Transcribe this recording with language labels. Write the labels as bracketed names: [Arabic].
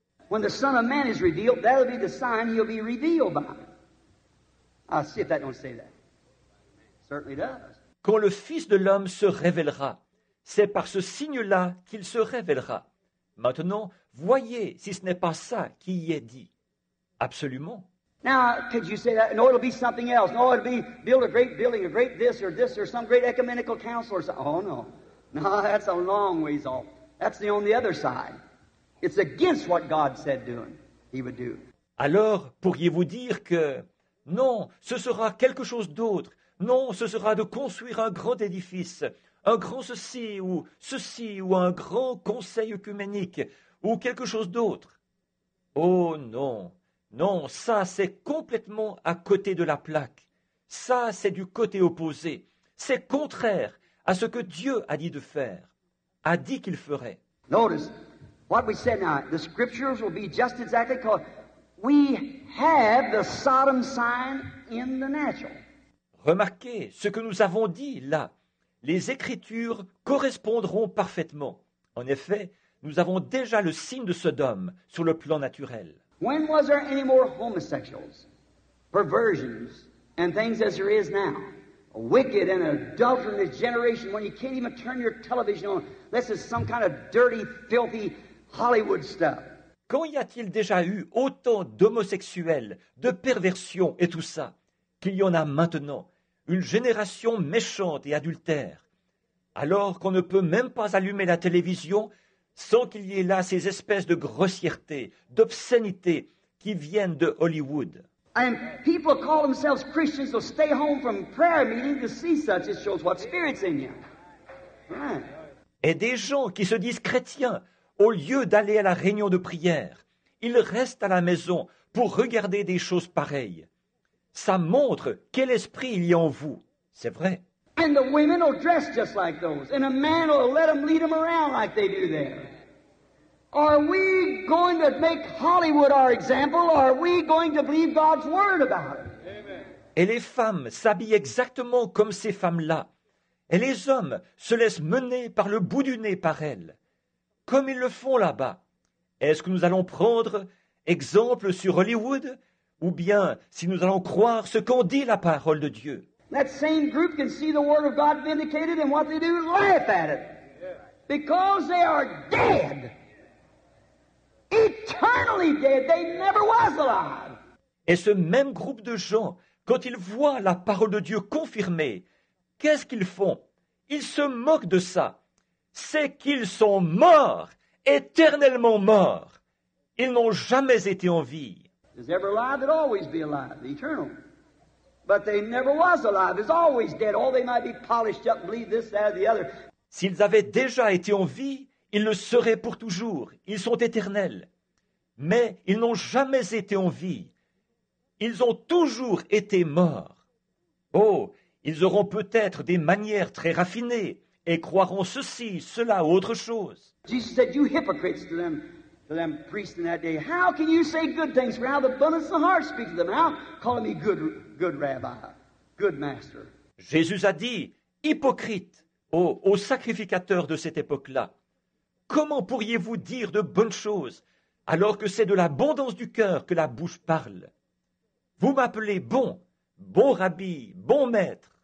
[English] When the Son of Man is revealed, that'll be the sign he'll be revealed by. I see if that don't say that. It certainly does. [French] Quand le Fils de l'homme se révélera, c'est par ce signe-là qu'il se révélera. Maintenant, voyez si ce n'est pas ça qui y est dit. Absolument. [English] Now, could you say that? No, it'll be something else. No, it'll be build a great building, a great this or some great ecumenical council or something. Oh, no. No, that's a long ways off. That's on the other side. It's against what God said doing, he would do. [French] Alors, pourriez-vous dire que non, ce sera quelque chose d'autre. Non, ce sera de construire un grand édifice, un grand ceci ou un grand conseil œcuménique ou quelque chose d'autre. Oh, non. Non, ça, c'est complètement à côté de la plaque. Ça, c'est du côté opposé. C'est contraire à ce que Dieu a dit de faire, a dit qu'il ferait. [English] Notice, what we said now, the scriptures will be just exactly called. We have the Sodom sign in the natural. [French] Remarquez ce que nous avons dit là. Les écritures correspondront parfaitement. En effet, nous avons déjà le signe de Sodome sur le plan naturel. [English] When was there any more homosexuals, perversions, and things as there is now? A wicked and adulterous generation when you can't even turn your television on. This is some kind of dirty, filthy Hollywood stuff. [French] Quand y a-t-il déjà eu autant d'homosexuels, de perversions et tout ça, qu'il y en a maintenant, une génération méchante et adultère, alors qu'on ne peut même pas allumer la télévision sans qu'il y ait là ces espèces de grossièreté, d'obscénité qui viennent de Hollywood. [English] And people call themselves Christians, they'll stay home from prayer meeting to see such, it shows what spirit's in you. [French] Et des gens qui se disent chrétiens, au lieu d'aller à la réunion de prière, ils restent à la maison pour regarder des choses pareilles. Ça montre quel esprit il y a en vous, c'est vrai. [English] And the women will dress just like those. And a man will let them lead them around like they do there. Are we going to make Hollywood our example, or are we going to believe God's word about it? [French] Et les femmes s'habillent exactement comme ces femmes-là. Et les hommes se laissent mener par le bout du nez par elles, comme ils le font là-bas. Est-ce que nous allons prendre exemple sur Hollywood, ou bien si nous allons croire ce qu'on dit la parole de Dieu? [English] That same group can see the word of God vindicated, and what they do, laugh at it. Because they are dead. Eternally dead. They never was alive. [French] Et ce même groupe de gens, quand ils voient la parole de Dieu confirmée, qu'est-ce qu'ils font? Ils se moquent de ça. C'est qu'ils sont morts, éternellement morts. Ils n'ont jamais été en vie. [English] Is ever alive, they'll always be alive, eternal. But they never was alive, is always dead. Oh, they might be polished up and believe this, that, or the other. [French] S'ils avaient déjà été en vie, ils le seraient pour toujours. Ils sont éternels. Mais ils n'ont jamais été en vie. Ils ont toujours été morts. Oh, ils auront peut-être des manières très raffinées et croiront ceci, cela ou autre chose. [English] Jesus said, you hypocrites to them priests in that day. How can you say good things for how the abundance of the heart speaks to them? How call me good rabbi, good master? [French] Jésus a dit, hypocrites, aux sacrificateurs de cette époque-là, comment pourriez-vous dire de bonnes choses alors que c'est de l'abondance du cœur que la bouche parle? Vous m'appelez bon, bon rabbi, bon maître.